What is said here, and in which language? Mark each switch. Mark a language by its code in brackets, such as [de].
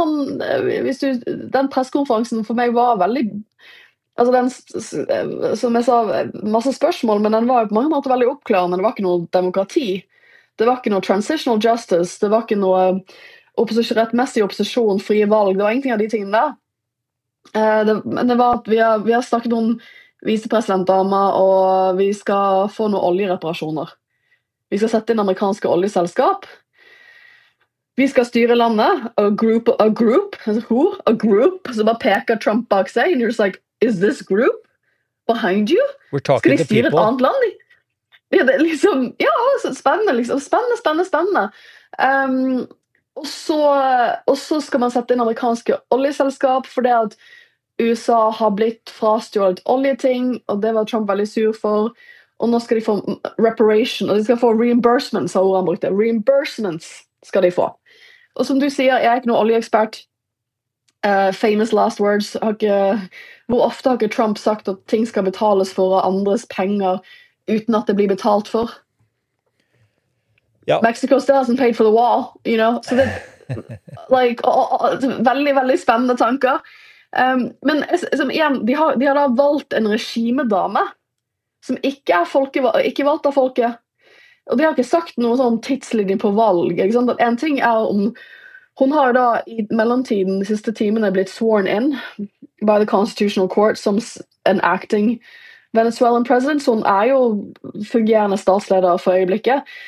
[no] Han, hvis du, den presskonferansen for meg var veldig, altså den, som jeg sa, masse spørsmål, men den var på mange måter veldig oppklarende, det var ikke noe demokrati, det var ikke noe transitional justice, det var ikke noe rettmessig opposisjon, fri valg, det var ingenting av de tingene der. Men det var at vi har snakket om vicepresidentdama, og vi skal få noen oljereparasjoner. Vi skal sette inn amerikanske oljeselskap. Vi skal styre landet, [en] a group, [no] så bare peker Trump bak seg, [en] and you're just like, is this group behind you? We're talking to people. [no] Skal de styre et annet land? Ja, det liksom, ja, spennende, liksom. Spennende. Og så skal man sette inn amerikanske oljeselskap, for det at USA har blitt frastjålet oljeting, og det var Trump veldig sur for, og nå skal de få reparation, og de skal få reimbursements, har ordet brukt det. Reimbursements skal de få. Og som du sier, jeg ikke noen oljeekspert. [en] Famous last words. [no] Hvor ofte har ikke Trump sagt at ting skal betales for av andres penger uten at det blir betalt for? Ja. [en] Mexico still hasn't paid for the wall, you know? [no] Så det like, veldig, veldig spennende tanker. Men som, igjen, de har da valgt en regimedame som ikke er valgt av folket. Og de har ikke sagt noe sånn tidslinje på valg. Ikke sant? En ting om hun har da i mellomtiden de siste timene blitt [en] sworn in by the constitutional court [no] som [en] an acting Venezuelan president, [no] så hun jo fungerende statsleder for øyeblikket.